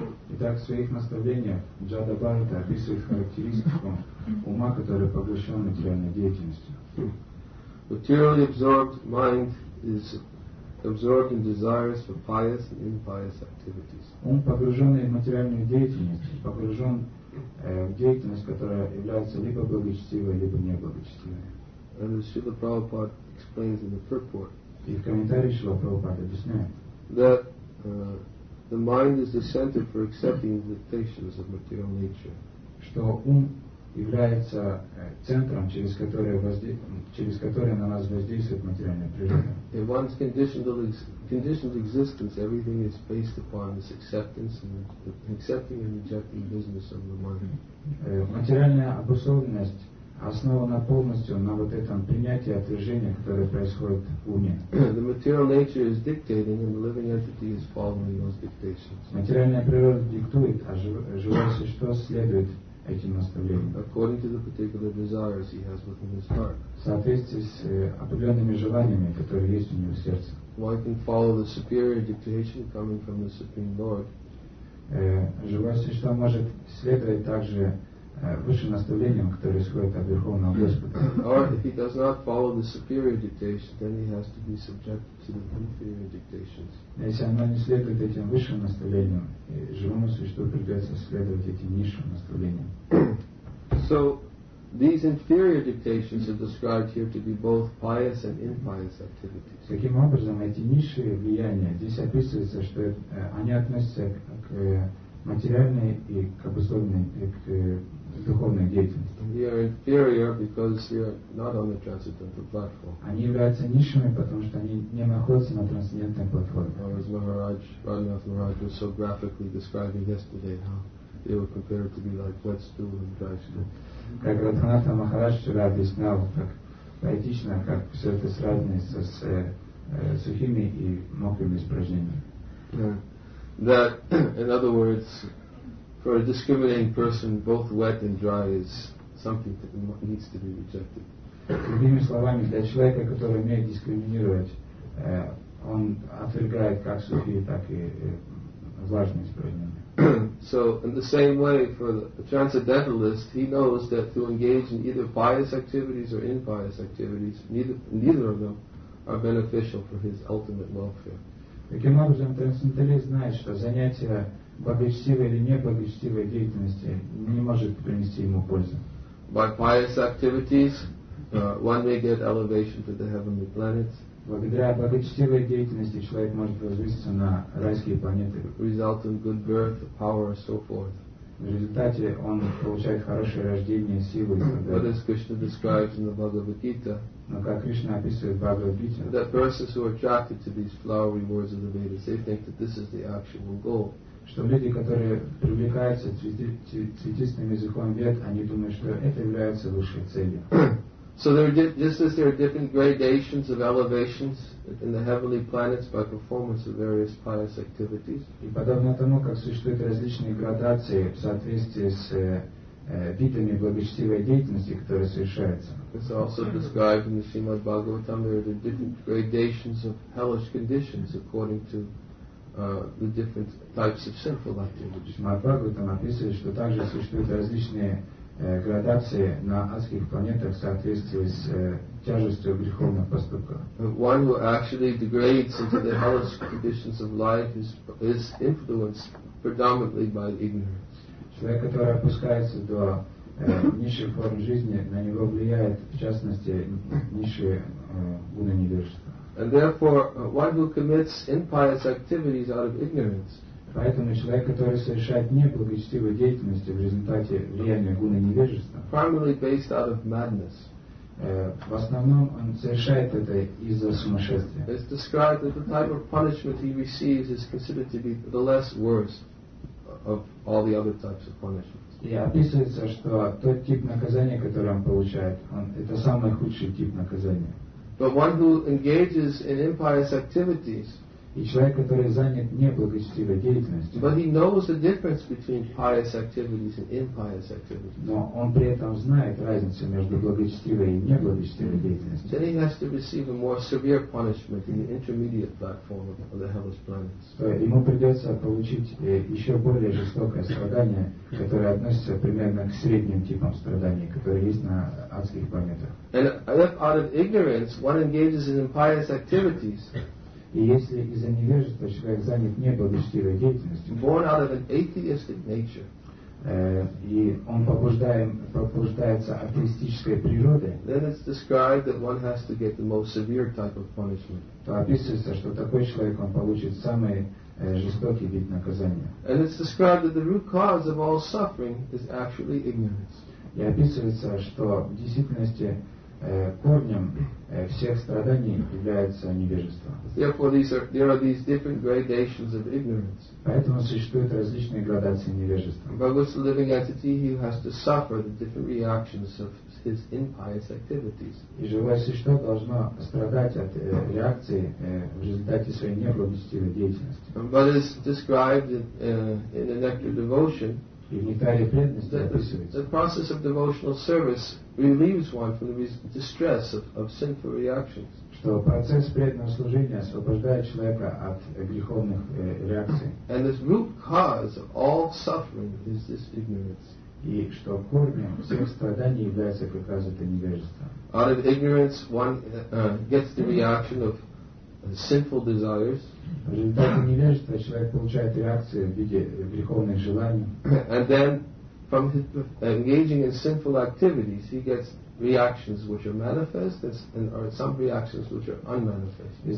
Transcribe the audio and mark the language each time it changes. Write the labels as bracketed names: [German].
[Russian] Итак, в своих наставлениях Джада Бхарата описывает характеристику ума, который поглощен материальной деятельностью. [English] Materially absorbed mind is absorbed in desires for pious and impious activities. [Russian] Ум, погруженный в материальную деятельность, погружен в деятельность, которая является либо благочестивой, либо неблагочестивой. [English] And as Srila Prabhupada explains in the purport, [Russian] и в комментарии Шрила Прабхупада объясняет, [English] that the mind is the center for accepting the dictations of material nature. [Russian] Что ум является центром, через который на нас воздействует материальная природа. [English] In one's conditioned existence, everything is based upon this acceptance and accepting and rejecting business of the mind. [Russian] Материальная обусловленность основана полностью на вот этом принятии отвержения, которое происходит в уме. [English] The material nature is dictating and the living entity is following those dictations. [Russian] Материальная природа диктует, а живое существо следует этим наставлениям. [English] According to the particular desires he has within his heart. [Russian] В соответствии с определенными желаниями, которые есть у него в сердце. [English] One can follow the superior dictation coming from the Supreme Lord. [Russian] Живое существо может следовать также высшим наставлениям, которые исходят от Верховного Господа. [English] Or if he does not follow the superior dictation, then he has to be subjected to the inferior dictations. [Russian] Если оно не следует этим высшим наставлениям, живому существу придется следовать этим низшим наставлениям. [English] So, these inferior dictations are described here to be both pious and impious activities. [Russian] Таким образом, эти низшие влияния здесь описывается, что они относятся к материальной и к обусловленной, к духовной деятельности. [English] They are inferior because they are not on the transcendental platform. [Russian] Они являются низшими, потому что они не находятся на трансцендентной платформе. [English] As Maharaj, Raghunath Maharaj was so graphically describing yesterday how they were compared to be like wet stool and dry stool. [Russian] Как Раганат Махарадж вчера объяснял, так поэтично, как все это сравнивается с сухими и мокрыми испражнениями. [English] That, in other words, for a discriminating person, both wet and dry is something that needs to be rejected. [Russian] Другими словами, для человека, который умеет дискриминировать, он отвергает как сухие, так и влажные испражнения. [English] So, in the same way, for the transcendentalist, he knows that to engage in either pious activities or impious activities, neither of them are beneficial for his ultimate welfare. [Russian] Таким образом, трансценденталист знает, что занятие благочестивой или неблагочестивой деятельности не может принести ему пользы. [English] By pious activities, one may get elevation to the heavenly planets. [Russian] Благодаря благочестивой деятельности человек может возвыситься на райские планеты. [English] Result in good birth, power, so forth. [Russian] В результате он получает хорошее рождение, силу и так далее. [English] But as Krishna describes in the Bhagavad Gita, [Russian] но как Кришна описывает в Бхагавад Гите, [English] that persons who are attracted to these flowery words of the Vedas, they think that this is the actual goal. [Russian] Что люди, которые привлекаются цветистым языком Вед, они думают, что это является высшей целью. [English] So there are just as there are different gradations of elevations in the heavenly planets by performance of various pious activities. [Russian] И подобно тому, как существуют различные градации в соответствии с видами благочестивой деятельности, которая совершается. [English] It's also described in the Srimad Bhagavatam there are the different gradations of hellish conditions according to the different types of sinful activities. [Russian] Srimad Bhagavatam описывает, что также существуют различные градации на адских планетах в соответствии с тяжестью греховных поступков. [English] One who actually degrades into the hellish conditions of life is influenced predominantly by ignorance. [Russian] Человек, который опускается до низшей формы жизни, на него влияет, в частности, низшие гуны невежества. [English] And therefore, one who commits impious activities out of ignorance. [Russian] Поэтому человек, который совершает неблагочестивую деятельность в результате влияния гуны невежества, [English] primarily based out of madness, [Russian] в основном он совершает это из-за сумасшествия. [English] It's described that the type of punishment he receives is considered to be the less worst of all the other types of punishments. [Russian] И описывается, что тот тип наказания, который он получает, это самый худший тип наказания. [English] But one who engages in impious activities. [Russian] И человек, который занят неблагочестивой деятельностью. [English] But he knows the difference between pious activities and impious activities. [Russian] Но он при этом знает разницу между благочестивой и неблагочестивой деятельностью. [English] Then he has to receive a more severe punishment in the intermediate platform of the hellish planets. [Russian] Ему придется получить еще более жестокое страдание, которое относится примерно к средним типам страданий, которые есть на адских планетах. [English] And if out of ignorance one engages in impious activities, [Russian] и если из-за невежества человек занят неблагочестивой деятельностью, [English] born out of an atheistic nature, [Russian] и он побуждается атеистической природой, [English] then it's described that one has to get the most severe type of punishment. [Russian] То описывается, что такой человек он получит самый жестокий вид наказания. [English] And it's described that the root cause of all suffering is actually ignorance. [Russian] И описывается, что в действительности корнем всех страданий является невежество. [English] Therefore, there are these different gradations of ignorance. [Russian] Поэтому существуют различные градации невежества. [English] But with the living entity, he has to suffer the different reactions of his impious activities. [Russian] И живое существо должно страдать от реакции в результате своей неблагочестивой деятельности. [English] But it's described in the Nectar Devotion. The process of devotional service relieves one from the distress of sinful reactions. [Russian] Что процесс преданного служения освобождает человека от греховных реакций. [English] And the root cause of all suffering is this ignorance. [Russian] И что корнем всех страданий является как раз это невежество. [English] Out of ignorance, one gets the reaction of sinful desires. [Russian] В результате невежества человек получает реакции в виде греховных желаний. [English] And then, from engaging in sinful activities, he gets reactions which are manifest, and or some reactions which are unmanifest.